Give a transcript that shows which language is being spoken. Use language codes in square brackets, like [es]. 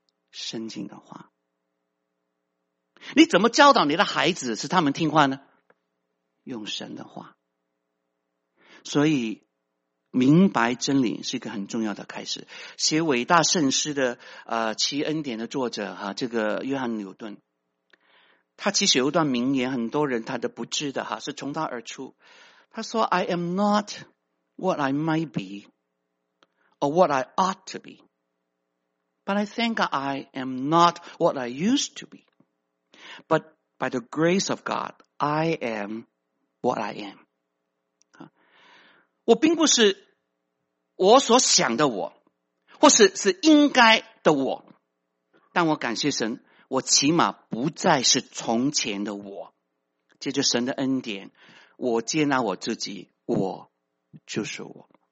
[zh] 圣经的话。你怎么教导你的孩子使他们听话呢？用神的话。所以明白真理是一个很重要的开始。写伟大圣诗的奇恩典的作者这个约翰纽顿，他其实有一段名言，很多人他都不知的是从他而出。他说 [en] I am not what I might be or what I ought to be, but I think I am not what I used to be, but by the grace of God, I am what I am. [zh] 我并不是我所想的我，或是是应该的我，但我感谢神，我起码不再是从前的我。借着神的恩典，我接纳我自己，我就是我。